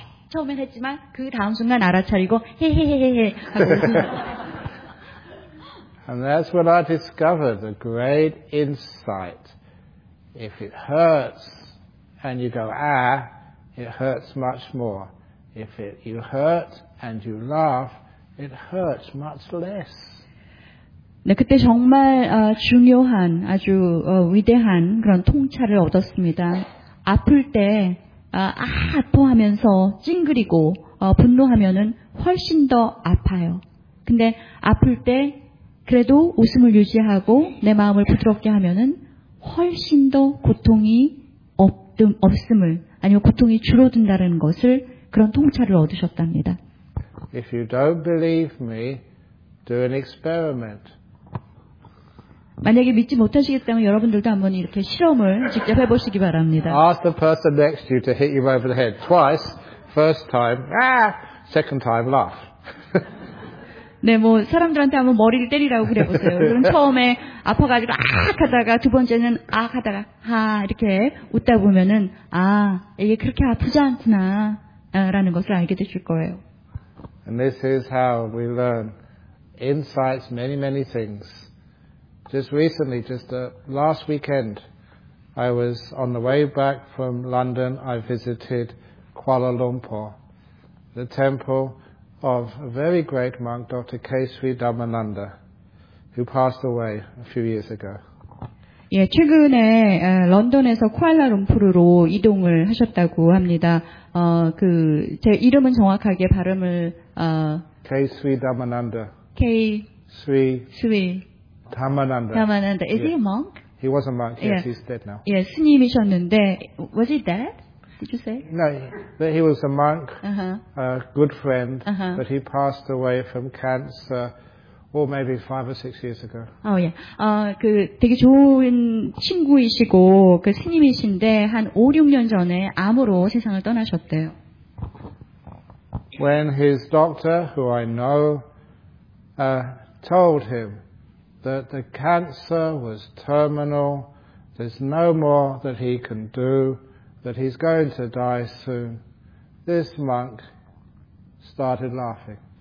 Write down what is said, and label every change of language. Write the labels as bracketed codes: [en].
[ko] 처음엔 했지만, 그 다음 순간 알아차리고, 헤헤헤헤. [en] And that's when I discovered a great insight. If it hurts, and you go, ah, it hurts much more. If you hurt and you laugh, it hurts much less. [ko] 네, 그때 정말 중요한, 아주 위대한 그런 통찰을 얻었습니다. 아플 때 아파하면서 찡그리고 분노하면은 훨씬 더 아파요. 근데 아플 때 그래도 웃음을 유지하고 내 마음을 부드럽게 하면은 훨씬 더 고통이 없음을 아니면 고통이 줄어든다는 것을 그런 통찰을 얻으셨답니다. [en] If you don't believe me, do an experiment. [ko] 만약에 믿지 못하시겠다면 여러분들도 한번 이렇게 실험을 직접 해보시기 바랍니다. [en] Ask the person next to you to hit you over the head twice. First time, ah! Second time, laugh. [ko] 네, 뭐 사람들한테 한번 머리를 때리라고 그래보세요. 그럼 처음에 아파가지고 아악 하다가 두 번째는 아악 하다가 하 이렇게 웃다 보면은 아 이게 그렇게 아프지 않구나 라는 것을 알게 되실 거예요. [en] And this is how we learn insights many many things. Just recently, just last weekend, I was on the way back from London. I visited Kuala Lumpur, the temple of a very great monk, Dr. K. Sri Dharmananda, who passed away a few years ago. [ko] 예, 최근에 런던에서 쿠알라룸푸르로 이동을 하셨다고 합니다. 제 이름은 정확하게 발음을 [en] K. Sri Dharmananda. K. Sri Dharmananda. Dharmananda. Is he a monk? He was a monk. Yes, he's dead now. [ko] 예, 스님이셨는데, [en] was he dead? Did you say? No, but he was a monk, a good friend, but he passed away from cancer. Or maybe 5 or 6 years ago. Oh, yeah. [ko] 되게 좋은 친구이시고, 그 스님이신데, 한 5-6년 전에 암으로 세상을 떠나셨대요. [en] When his doctor, who I know, told him that the cancer was terminal, there's no more that he can do, that he's going to die soon, this monk started laughing.